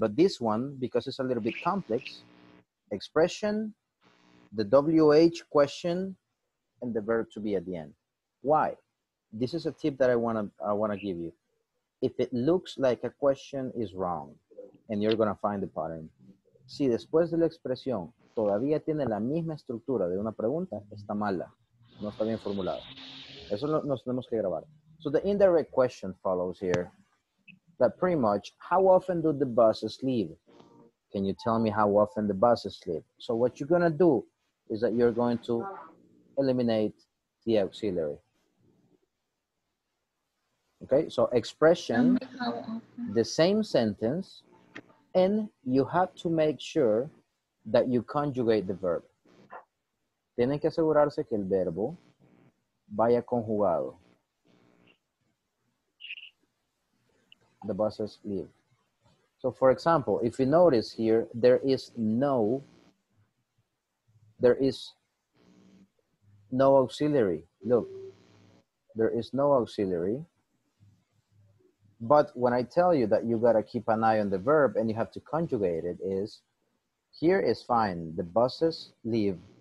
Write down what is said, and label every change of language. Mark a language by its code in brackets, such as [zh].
[en] But this one, because it's a little bit complex, expression, the WH question, and the verb to be at the end. Why? This is a tip that I wanna give you. If it looks like a question is wrong, and you're gonna find the pattern. [es] Si después de la expresión todavía tiene la misma estructura de una pregunta, está mala, no está bien formulada. Eso nos tenemos que grabar. [en] So the indirect question follows here. That pretty much, how often do the buses leave? Can you tell me how often the buses leave? So what you're gonna do is that you're going to eliminate the auxiliary. Okay, so expression, the same sentence, and you have to make sure that you conjugate the verb. [es] Tiene que asegurarse que el verbo vaya conjugado. [en] The buses leave. So for example, if you notice here, there is no auxiliary. Look, there is no auxiliary. But when I tell you that you gotta keep an eye on the verb and you have to conjugate it, is here is fine, the buses leave.